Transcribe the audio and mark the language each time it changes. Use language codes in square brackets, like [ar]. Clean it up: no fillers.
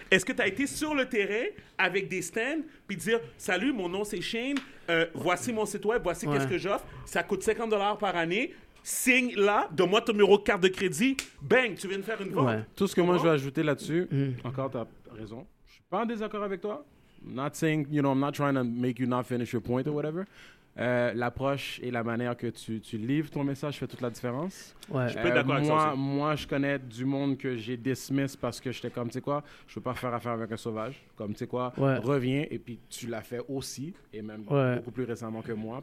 [fr] Est-ce que tu as été sur le terrain avec des stands puis dire, salut, mon nom c'est Shane, voici mon site web, voici qu'est-ce que j'offre. Ça coûte $50 par année. Signe là, donne-moi ton numéro de carte de crédit. Bang, tu viens de faire une vente. Ouais. Tout ce que moi je vais ajouter là-dessus, encore tu as raison. Je ne suis pas en désaccord avec toi. [en] Not saying, you know, I'm not trying to make you not finish your point or whatever. [fr] L'approche et la manière que tu livres ton message fait toute la différence. Ouais. Je peux être d'accord moi, avec ça. Moi, je connais du monde que j'ai dismiss parce que j'étais comme, tu sais quoi, je veux pas faire affaire avec un sauvage. Comme, tu sais quoi, reviens et puis tu l'as fait aussi et même beaucoup plus récemment que moi.